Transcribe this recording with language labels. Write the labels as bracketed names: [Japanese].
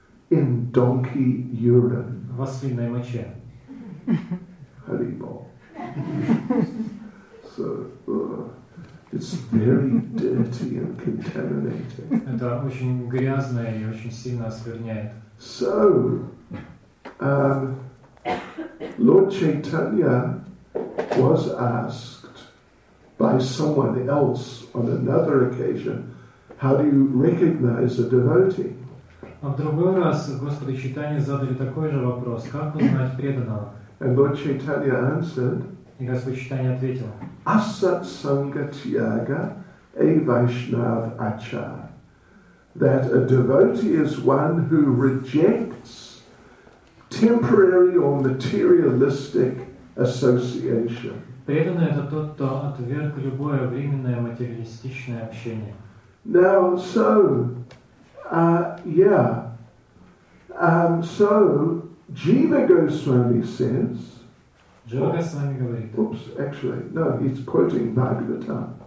[English] In donkey urine. [Russian] В ослиной моче. [Sanskrit] Haribol. [English] So, it's very dirty and contaminating. [Russian] Это очень грязное и очень сильно оскверняет. [English] So, Lord Chaitanya was asked by someone else on another occasion, how do you recognize a devotee? [Russian] А в другой раз Господи Чайтанья задали такой же вопрос, как узнать преданного? [English] And Lord Chaitanya answered, [Russian] и Господь Чайтанья ответил, [Sanskrit] Асат санга тьяга эй вайшнав ачар. [English] That a devotee is one who rejects temporary or materialistic association. [Russian] Преданный — это тот, кто отверг любое временное материалистичное общение. [English] Now, so, so Jiva Goswami says, he's quoting Bhagavatam.